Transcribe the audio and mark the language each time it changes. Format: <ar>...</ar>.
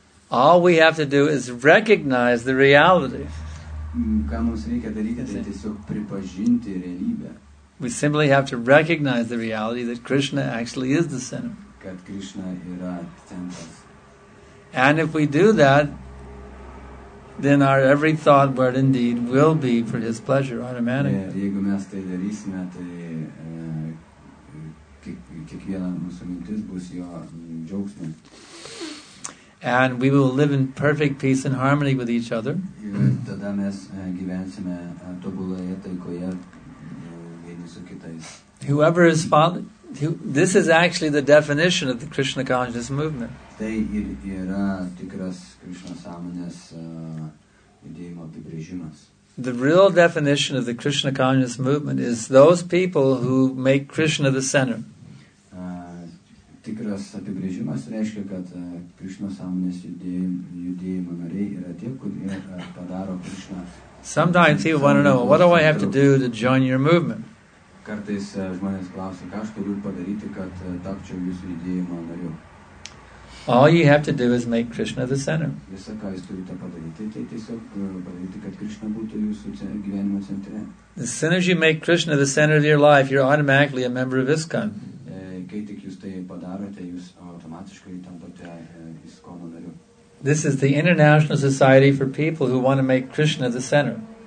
<en>All we have to do is recognize the reality.</en> <lt>Ką mums reikia daryti, tai tiesiog pripažinti realybę.</lt> <en>We simply have to recognize the reality that Krishna actually is the center.</en> <lt>Kad Krishna yra centras.</lt> <en>And if we do that, then our every thought, word and deed will be for his pleasure automatically.</en> <lt>Jeigu mes tai darysime, tai kiekviena mūsų mintis bus jo džiaugsmė.</lt> <en>And we will live in perfect peace and harmony with each other.</en> <lt>Tada mes gyvensime tobuloje taikoje vieni su kitais.</lt> <en>Whoever is following, this is actually the definition of the Krishna consciousness movement.</en> <lt>Tai ir yra tikras Krishna sąmonės judėjimo apibrėžimas.</lt> <en>The real definition of the Krishna consciousness movement is those people who make Krishna the center.</en> <lt>Tikras apibrėžimas reiškia, kad Krishna sąmonės judėjimo nariai yra tie, kurie padaro Krishna.</lt> <en>Sometimes people want to know, what do I have to do to join your movement?</en> <lt>Kartais žmonės klausia, ką aš turiu padaryti, kad tapčiau jūsų judėjimo nariu.</lt> <en>All you have to do is make Krishna the center.</en> <lt>Visa, ką jūs turite padaryti, tai tiesiog padaryti, kad Krishna būtų jūsų gyvenimo centre.</lt> <en>As soon as you make Krishna the center of your life, you're automatically a member of ISKCON.</en> <lt>Kai tik jūs tai padarote, jūs automatiškai tampate ISKCONo nariu.</lt> <en>This is the International Society for People who want to make Krishna the center.</en>